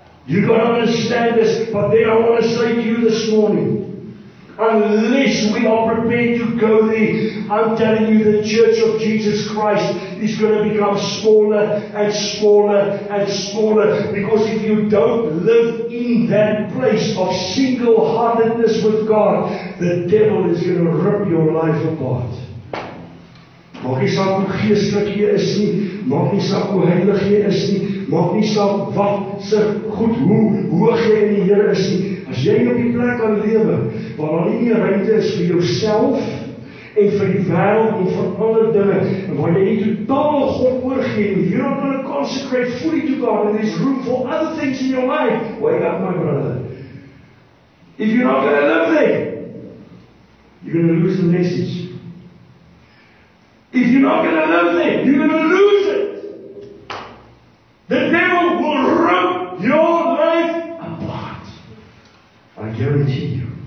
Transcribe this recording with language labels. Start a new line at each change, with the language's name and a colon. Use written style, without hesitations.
English: You can understand this, but then I want to say to you this morning, unless we are prepared to go there, I'm telling you the Church of Jesus Christ is going to become smaller and smaller and smaller, because if you don't live in that place of single-heartedness with God, the devil is going to rip your life apart.
Afrikaans: Maak nie saak hoe geestelik jy is nie, maak nie saak hoe heilig jy is nie, maak nie saak wat se goed, hoe hoog jy in die Here is nie. As jy op die plek kan lewe, waar daar nie meer ruimte is vir jouself en vir die wêreld en vir ander dinge, en waar jy nie totaal God oorgee,
English: you're not going to consecrate fully to God, and there's room for other things in your life. Wake up, my brother. If you're not going to live there, you're going to lose the message. If you're not going to live there, you're going to lose it. The devil will rip your life apart. I guarantee you.